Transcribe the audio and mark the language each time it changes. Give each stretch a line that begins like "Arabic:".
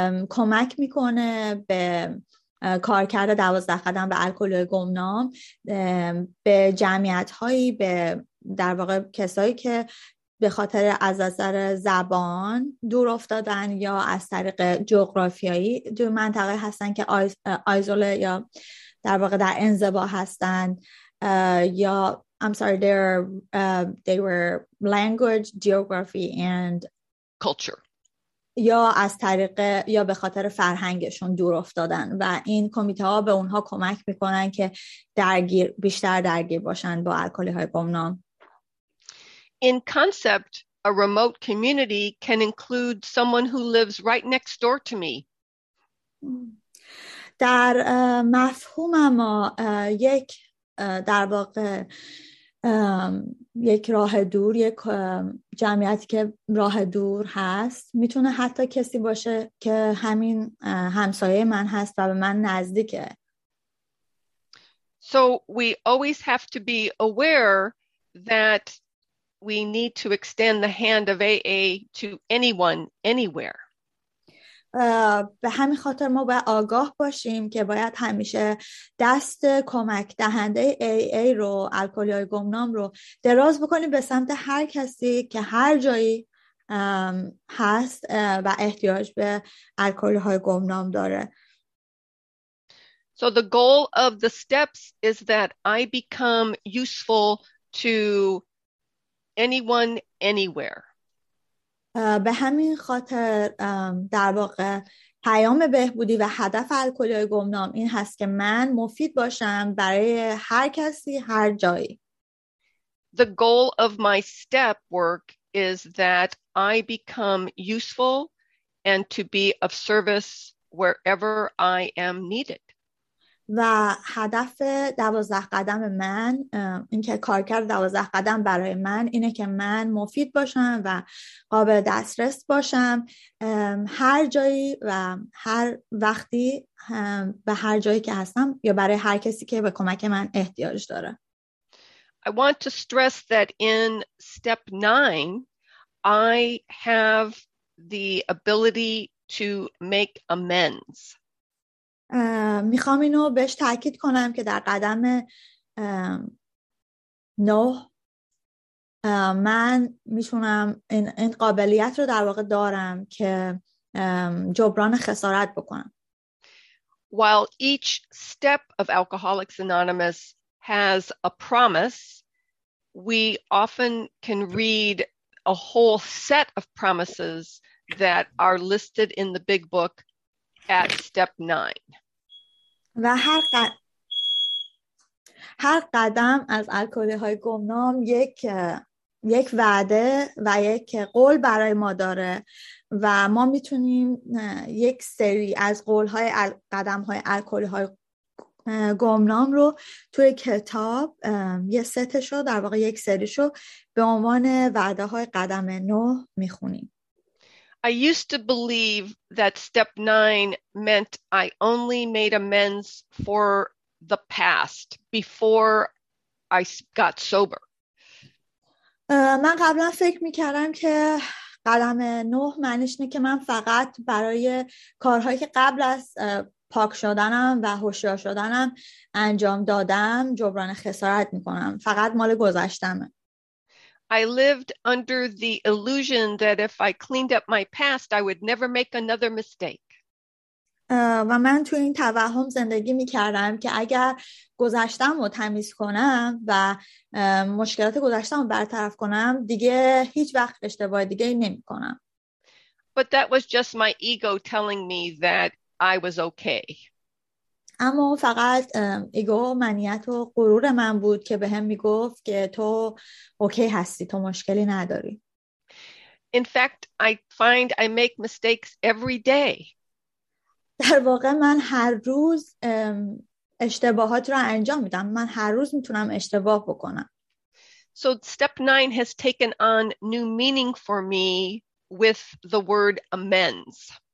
Persian: کمک میکنه به کارکرد 12 قدم و الکل گمنام به جمعیت هایی به در واقع کسایی که به خاطر از اثر زبان دور افتادن یا از طریق جغرافیایی دو منطقه هستن که آیزوله یا در واقع در انزوا هستن یا
English: I'm sorry they were language geography and culture
Persian: یا از طریق یا به خاطر فرهنگشون دور افتادن و این کمیته ها به اونها کمک میکنن که درگیر بیشتر درگیر باشن با الکلی های گمنام.
English: In concept, a remote community can include someone who lives right next door to me.
Persian: در مفهوم ما در واقع یک راه دور یک جمعیتی که راه دور هست میتونه حتی کسی باشه که همین همسایه من هست و به من نزدیکه.
English: So we always have to be aware that we need to extend the hand of AA to anyone, anywhere.
Persian: به همین خاطر ما باید آگاه باشیم که باید همیشه دست کمک دهنده AA رو الکلی های گمنام رو دراز بکنیم به سمت هر کسی که هر جایی هست و احتیاج به الکلی های گمنام داره.
English: So the goal of the steps is that I become useful to anyone anywhere.
Persian: به همین خاطر در واقع پیام بهبودی و هدف الکلی های گمنام این هست که من مفید باشم برای هر کسی هر جایی.
English: The goal of my step work is that I become useful and to be of service wherever I am needed.
Persian: و هدف 12 قدم من این که کار کرد 12 قدم برای من اینه که من مفید باشم و قابل دسترس باشم هر جایی و هر وقتی به هر جایی که هستم یا برای هر کسی که به کمک من احتیاج داره.
English: I want to stress that in step 9 I have the ability to make amends.
Persian: میخوام اینو بهش تأکید کنم که در قدم نو من میتونم این قابلیت رو در واقع دارم که جبران خسارت بکنم.
English: While each step of Alcoholics Anonymous has a promise, we often can read a whole set of promises that are listed in the big book at step 9.
Persian: و هر قدم از الکلی های گمنام یک وعده و یک قول برای ما داره و ما میتونیم یک سری از قول های قدم های الکلی های گمنام رو توی کتاب یه ستش رو در واقع یک سریش رو به عنوان وعده های قدم نو میخونیم.
English: I used to believe that step 9 meant I only made amends for the past before I got sober.
Persian: من قبلا فکر می‌کردم که قدم 9 معنیش اینه که من فقط برای کارهایی که قبل از پاک شدنم و هوشیار شدنم انجام دادم جبران خسارت می‌کنم. فقط مال گذشته‌مه.
English: I lived under the illusion that if I cleaned up my past, I would never make another mistake.
Persian: و من تو این توهم زندگی می کردم که اگر گذشتم رو تمیز کنم و مشکلات گذشتم رو برطرف کنم دیگه هیچ وقت اشتباه دیگه نمی کنم.
English: But that was just my ego telling me that I was okay.
Persian: اما فقط ایگو منیت و غرور من بود که به هم میگفت که تو اوکی هستی تو مشکلی نداری.
English: In fact, I find I make mistakes every day.
Persian: در واقع من هر روز اشتباهات رو انجام میدم. من هر روز میتونم اشتباه بکنم.
English: So step 9 has taken on new meaning for me with the word amends.